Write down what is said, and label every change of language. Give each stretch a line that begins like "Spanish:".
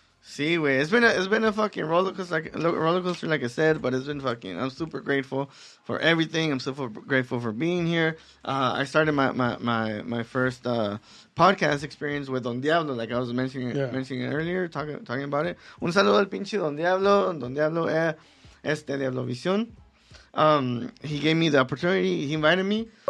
English: See, wait, it's been a fucking roller coaster, like I said, but it's been fucking, I'm super grateful for everything. I'm super grateful for being here. I started my first podcast experience with Don Diablo, like I was mentioning earlier, talking about it.
Spanish: Un saludo al pinche Don Diablo es de Diablo Visión.
English: He gave me the opportunity, he invited me.